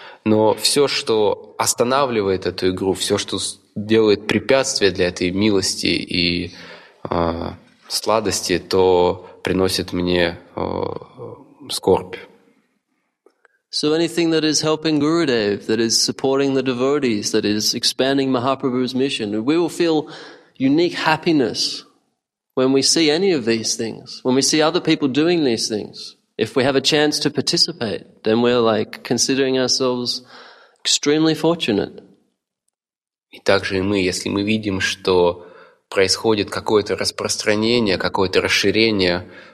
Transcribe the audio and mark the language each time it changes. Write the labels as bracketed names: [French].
[Russian] Но все, что останавливает эту игру, все, что делает препятствие для этой милости и сладости, то приносит мне скорбь. [English] So anything that is helping Gurudev, that is supporting the devotees, that is expanding Mahaprabhu's mission, we will feel unique happiness when we see any of these things, when we see other people doing these things. If we have a chance to participate, then we're like considering ourselves extremely fortunate. [Russian] И также и мы, если мы видим, что происходит какое-то распространение, какое-то расширение